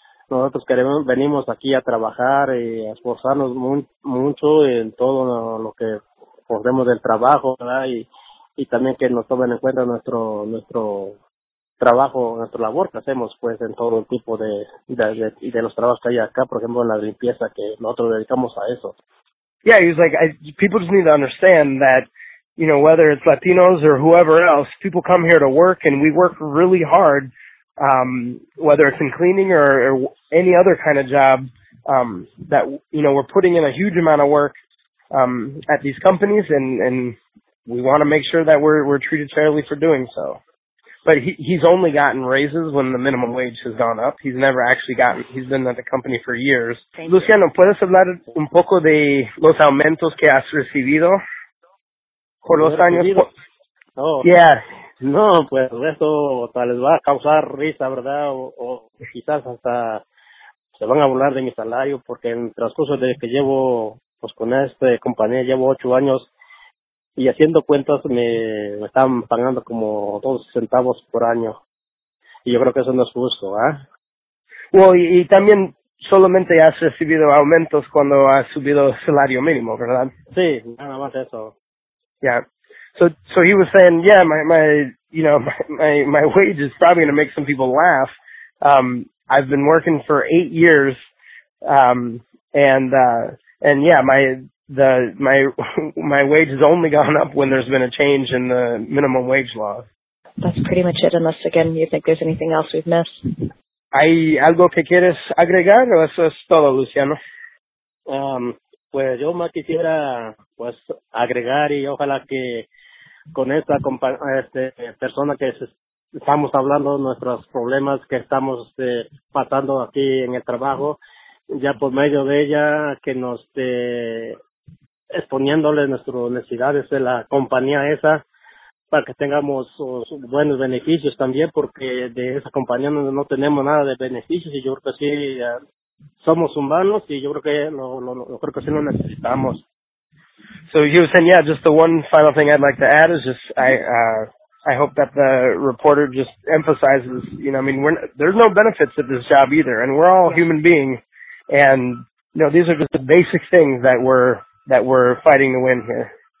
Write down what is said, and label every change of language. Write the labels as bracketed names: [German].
[Spanish] Nosotros venimos aquí a trabajar y a esforzarnos mucho en todo lo que podemos del trabajo, ¿verdad? Y también que nos tomen en cuenta nuestro trabajo, nuestra labor que hacemos, pues, en todo el tipo de los trabajos que hay acá, por ejemplo, en la limpieza, que nosotros dedicamos a eso. [English] Yeah, he's like, people just need to understand that, you know, whether it's Latinos or whoever else, people come here to work and we work really hard. Whether it's in cleaning or any other kind of job, that, you know, we're putting in a huge amount of work, at these companies, and we want to make sure that we're treated fairly for doing so. But he's only gotten raises when the minimum wage has gone up. He's been at the company for years. Thank Luciano, you. [Spanish] ¿Puedes hablar un poco de los aumentos que has recibido por los años? [English] Oh. Yeah. [Spanish] No, pues eso tal vez va a causar risa, ¿verdad? O quizás hasta se van a burlar de mi salario, porque en el transcurso de que llevo, pues, con esta compañía, llevo 8 años, y haciendo cuentas me están pagando como 12 centavos por año. Y yo creo que eso no es justo, ¿ah? Well, y también solamente has recibido aumentos cuando has subido el salario mínimo, ¿verdad? Sí, nada más eso. [English] Ya. Yeah. So he was saying, yeah, my wage is probably going to make some people laugh. I've been working for 8 years, my wage has only gone up when there's been a change in the minimum wage law. That's pretty much it, unless, again, you think there's anything else we've missed. [Spanish] ¿Hay algo que quieres agregar o eso es todo, Luciano? Pues yo más quisiera, pues, agregar, y ojalá que con esta persona que estamos hablando nuestros problemas que estamos pasando aquí en el trabajo, ya por medio de ella, que nos exponiéndole nuestras necesidades de la compañía esa, para que tengamos buenos beneficios también, porque de esa compañía no tenemos nada de beneficios, y yo creo que sí, somos humanos, y yo creo que sí lo necesitamos. [English] So he was saying, yeah, just the one final thing I'd like to add is just I hope that the reporter just emphasizes, you know, I mean, there's no benefits at this job either, and we're all human beings, and, you know, these are just the basic things that we're fighting to win here.